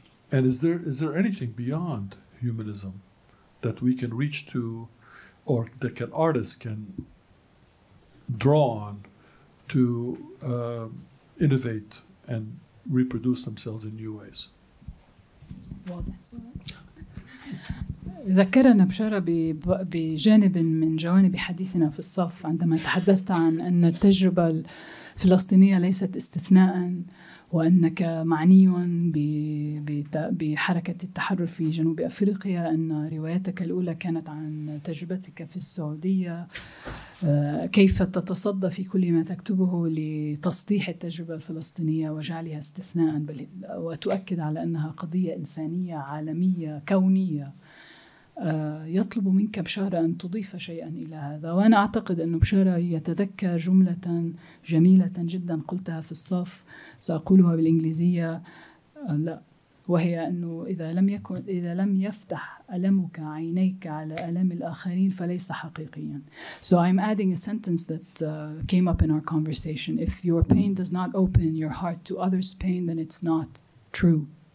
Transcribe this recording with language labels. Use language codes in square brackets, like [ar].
[en] And is there anything beyond humanism that we can reach to or that can artists can draw on to innovate and reproduce themselves in new ways? [ar] ذكرنا بشارة بجانب من جوانب حديثنا في الصف عندما تحدثت عن أن التجربة الفلسطينية ليست استثناء وأنك معني بحركة التحرر في جنوب أفريقيا أن روايتك الأولى كانت عن تجربتك في السعودية كيف تتصدى في كل ما تكتبه لتصديح التجربة الفلسطينية وجعلها استثناء بل وتؤكد على أنها قضية إنسانية عالمية كونية يطلب منك بشارة أن تضيف شيئا إلى هذا وأنا أعتقد أن بشارة يتذكر جملة جميلة جدا قلتها في الصف سأقولها بالإنجليزية لا وهي أنه إذا لم يفتح ألمك عينيك على ألم الآخرين فليس حقيقيا. [en] So I'm adding a sentence that came up in our conversation. If your pain does not open your heart to others' pain, then it's not true.